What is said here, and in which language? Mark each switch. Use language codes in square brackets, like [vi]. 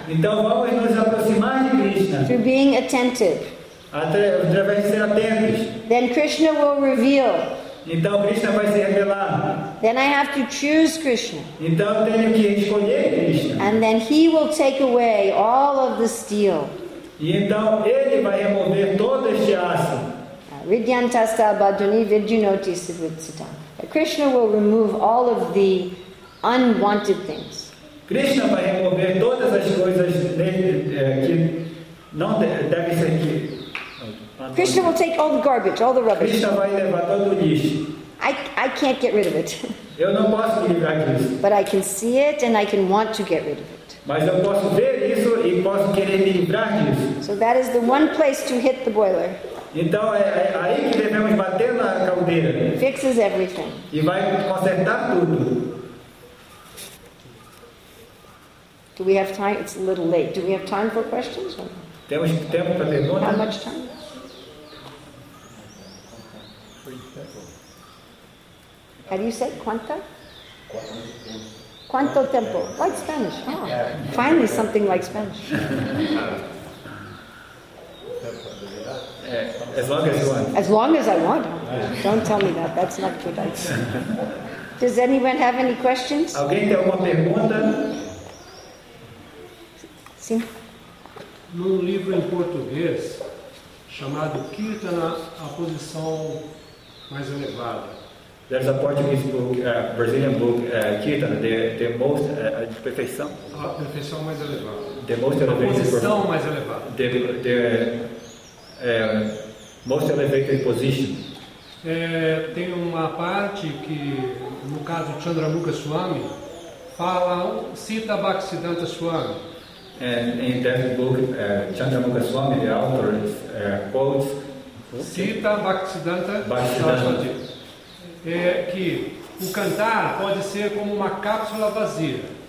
[pt] Então vamos nos aproximar de Krishna. [en] Through being attentive. [pt] Através de ser atentos. [en] Then Krishna will reveal. [pt] Então Krishna vai se revelar. [en] Then I have to choose Krishna. [pt] Então eu tenho que escolher Krishna. [en] And then he will take away all of the steel. [pt] E então ele vai remover todo este aço. [sa] Vidyantasta bhajani vidyunoti siddhitam. [en] Krishna will remove all of the unwanted things. [pt] Krishna vai remover todas as coisas que não devem ser aqui. [en] Krishna will take all the garbage, all the rubbish. [pt] Krishna vai levar todo o lixo. [en] I can't get rid of it. [pt] Eu não posso me livrar disso. [en] But I can see it and I can want to get rid of it. [pt] Mas eu posso ver isso e posso querer me livrar disso. [en] So that is the one place to hit the boiler. [pt] Então é aí que devemos bater na caldeira. [en] Fixes everything. [pt] E vai consertar tudo. [en] Do we have time? It's a little late. Do we have time for questions? [pt] Temos tempo para perguntas? [en] How much time? How do you say quanta? [pt] Quanto tempo? [en] Like Spanish. Oh, finally something like Spanish. As long as you want. As long as I want. Don't tell me that. That's not good idea. Does anyone have any questions? [pt] Alguém tem alguma pergunta? Sim. No livro em português chamado Kirtana, a posição mais elevada. [en] There's a Portuguese book, Brazilian book, Kirtana, the most, perfeição. [pt] A perfeição mais elevada. [en] The most elevated. [pt] A posição mais elevada. [en] Most elevated position. [pt] Tem uma parte que, no caso de Chandramukha Swami, fala, cita Bhaktisiddhanta Swami. [en] And in that book, Chandramukha Swami, the author, quotes [pt] cita Bhaktisiddhanta Saraswati. É que o cantar pode ser como uma cápsula vazia.